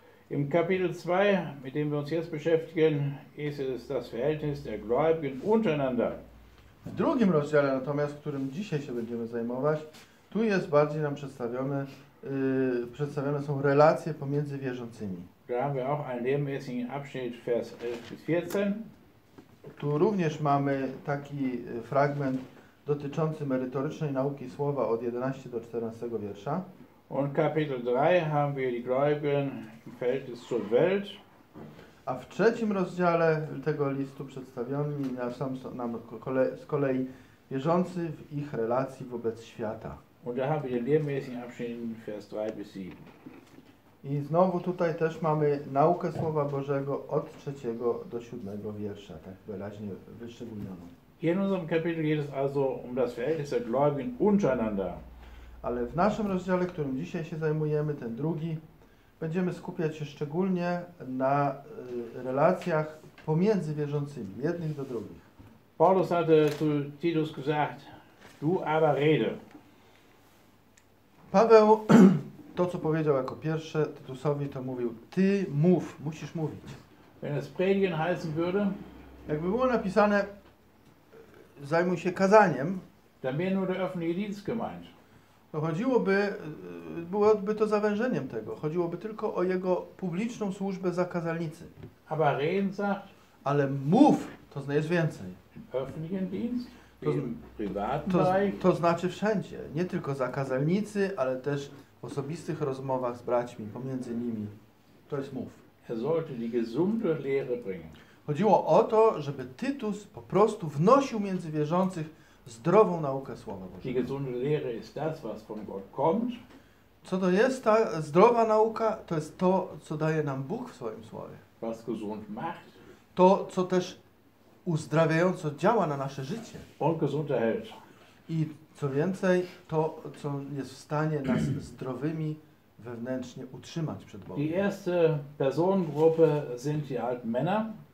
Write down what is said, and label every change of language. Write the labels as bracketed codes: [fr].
[de] Im Kapitel 2, mit dem wir uns jetzt beschäftigen, ist es das Verhältnis der Gläubigen untereinander. [pl] W drugim rozdziale natomiast, którym dzisiaj się będziemy zajmować, tu jest bardziej nam przedstawione, przedstawione są relacje pomiędzy wierzącymi. [de] Da haben wir auch einen lehrmäßigen Abschnitt, Vers 11 bis 14. [pl] Tu również mamy taki fragment dotyczący merytorycznej nauki słowa od 11 do 14 wiersza. [de] Und Kapitel 3 haben wir die Gläubigen im Verhältnis zur Welt. [pl] A w trzecim rozdziale tego listu przedstawiony nam z kolei wierzący w ich relacji wobec świata. [de] Und da haben wir den lehrmäßigen Abschnitt in Vers 3 bis 7. [pl] I znowu tutaj też mamy naukę Słowa Bożego od 3 do 7 wiersza, tak wyraźnie wyszczególnioną. [de] Hier in unserem Kapitel geht es also um das Verhältnis der Gläubigen untereinander. [pl] Ale w naszym rozdziale, którym dzisiaj się zajmujemy, ten drugi, będziemy skupiać się szczególnie na relacjach pomiędzy wierzącymi, jednych do drugich. [de] Paulus hatte zu Titus gesagt, du aber rede. [pl] Paweł to, co powiedział jako pierwsze Tytusowi, to mówił, ty mów, musisz mówić. [de] Wenn es predigen heißen würde, [pl] jakby było napisane, zajmuj się kazaniem, [de] dann wäre nur der öffentliche Dienst gemeint. [pl] To chodziłoby, byłoby to zawężeniem tego. Chodziłoby tylko o jego publiczną służbę za kazalnicy. [de] Aber reden sagt, [pl] ale mów, to jest więcej. [de] Öffentlichen Dienst, im privaten Bereich. [pl] To znaczy wszędzie. Nie tylko za kazalnicy, ale też w osobistych rozmowach z braćmi, pomiędzy nimi. To jest mów. [de] Er sollte die gesunde Lehre bringen. [pl] Chodziło o to, żeby Tytus po prostu wnosił między wierzących zdrową naukę Słowa Bożego. [de] Die gesunde Lehre ist das, was von Gott kommt. [pl] Co to jest ta zdrowa nauka? To jest to, co daje nam Bóg w swoim Słowie. [de] Was gesund macht. [pl] To, co też uzdrawiająco działa na nasze życie. [de] Und gesund erhält. [pl] I co więcej, to, co jest w stanie nas zdrowymi wewnętrznie utrzymać przed Bogiem. [de] Die erste Personengruppe sind die alten Männer.